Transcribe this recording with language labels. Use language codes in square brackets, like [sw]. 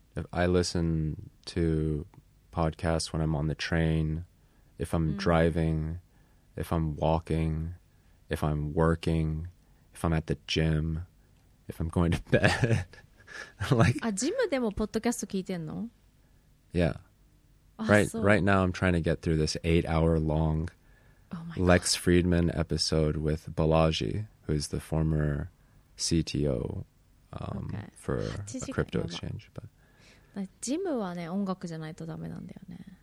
[en] I listen to podcasts when I'm on the train, if I'm driving, if I'm walking, if I'm working, if I'm at the gym, if I'm going to bed. Like, [ja] あ、ジムでもポッドキャスト聞いてんの？ [en] Yeah. Right now I'm trying to get through this 8-hour long、 oh、 Lex Fridman episode with Balaji, who is the former CTO、okay. for a crypto exchange. But [ja] gym はね、音楽じゃないとダメなんだよね。